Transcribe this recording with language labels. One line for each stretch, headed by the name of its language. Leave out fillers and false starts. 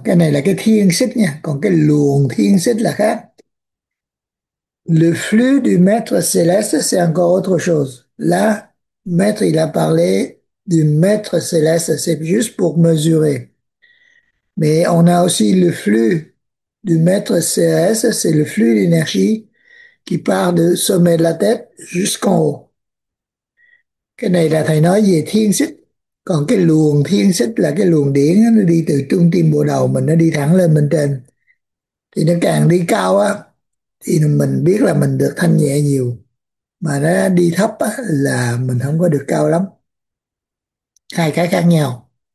Vietnamese: Cái này là cái thiền xích nha. Còn cái luồng thiền xích là khác.
French: Le flux du maître céleste, c'est encore autre chose. Là, maître, il a parlé du maître céleste. C'est juste pour mesurer. Mais on a aussi le flux du maître céleste, c'est le flux d'énergie qui part du sommet de la tête jusqu'en haut.
Vietnamese: Cái này là thầy nói về thiên xích. Còn cái luồng thiên xích là cái luồng điển, nó đi từ trung tim bộ đầu mình, nó đi thẳng lên bên trên. Thì nó càng đi cao á, thì mình biết là mình được thanh nhẹ nhiều. Mà nó đi thấp á, là mình không có được cao lắm. Hai cái khác nhau.